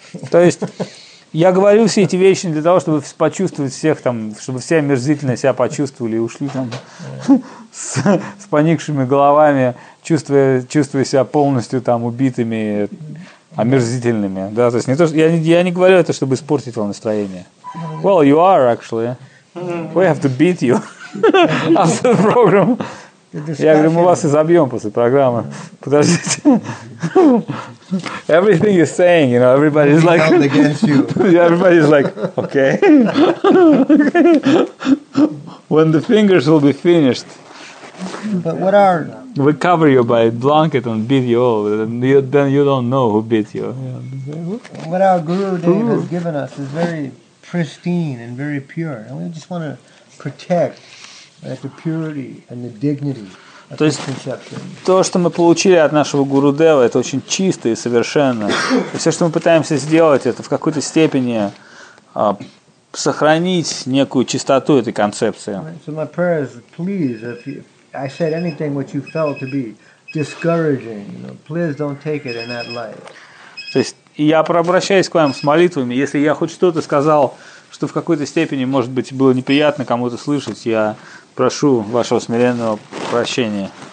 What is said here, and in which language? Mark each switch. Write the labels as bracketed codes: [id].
[ru] То есть я говорю все эти вещи не для того, чтобы почувствовать всех там, чтобы все омерзительно себя почувствовали и ушли там с поникшими головами, чувствуя себя полностью там убитыми, омерзительными. Да, то есть не то, что, я не говорю это, чтобы испортить вам настроение. [en] Well, you are actually. We have to beat you after the program. [ru] Я говорю, мы вас изобьем после программы. Подождите. [en] Everything you're saying, you know, everybody is like... Held against you. Everybody is like, okay. When the fingers will be finished. But what are... We cover you by blanket and beat you all, and then you don't know who beat you. What our Guru Dev has given us is very pristine and very pure, and we just want to protect, right, the purity and the dignity of this conception. [ru] То, что мы получили от нашего Гуру Дева, это очень чисто и совершенно. И все, что мы пытаемся сделать, это в какой-то степени сохранить некую чистоту этой концепции. [en] So my prayer is, please, if you... I said anything which you felt to be discouraging, you know, please don't take it in that light. [ru] То есть я обращаюсь к вам с молитвами. Если я хоть что-то сказал, что в какой-то степени, может быть, было неприятно кому-то слышать, я прошу вашего смиренного прощения.